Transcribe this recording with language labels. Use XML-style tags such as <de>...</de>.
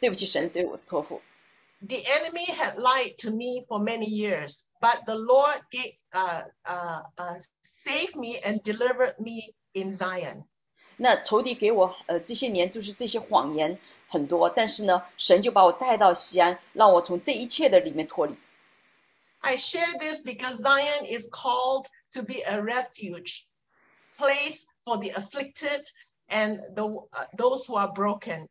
<zh>所以，以前呢，就是说我要预备自己，然后我就进到那个全职的服侍的里面。但是现在呢，我好像是从全职的服侍的里面进到这个职场，然后我就感觉说我是不是，对不起神，也对不起自己，也对不起神对我的托付。</zh> <en>The enemy had lied to me for many years, but the Lord saved me and delivered me in Zion.</en> <zh>那仇敌给我这些谎言很多，但是呢，神就把我带到锡安，让我从这一切的里面脱离。</zh> <en>I share this because Zion is called to be a refuge place for the afflicted and those who are broken.</en>